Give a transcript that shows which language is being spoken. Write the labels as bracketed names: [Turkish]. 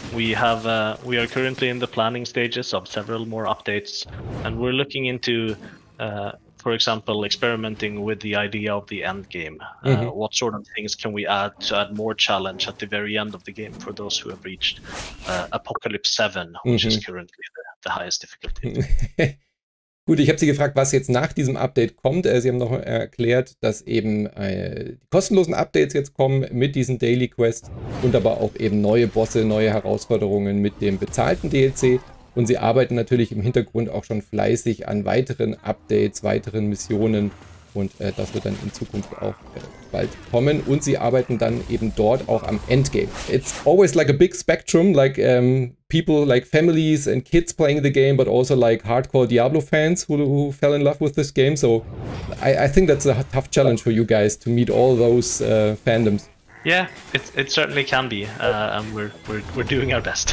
[English] We are currently in the planning stages of several more updates, and we're looking into, for example, experimenting with the idea of the end game. What sort of things can we add to add more challenge at the very end of the game for those who have reached Apocalypse 7, which is currently the highest difficulty. [German] Gut, ich habe Sie gefragt, was jetzt nach diesem Update kommt. Sie haben noch erklärt, dass eben die kostenlosen Updates jetzt kommen mit diesen Daily Quests und aber auch eben neue Bosse, neue Herausforderungen mit dem bezahlten DLC. Und sie arbeiten natürlich im Hintergrund auch schon fleißig an weiteren Updates, weiteren Missionen. Und das wird dann in Zukunft auch bald kommen. Und sie arbeiten dann eben dort auch am Endgame. [English] It's always like a big spectrum, like people, like families and kids playing the game, but also like hardcore Diablo fans who fell in love with this game. So I think that's a tough challenge for you guys to meet all those fandoms. Yeah, it certainly can be. And we're doing our best.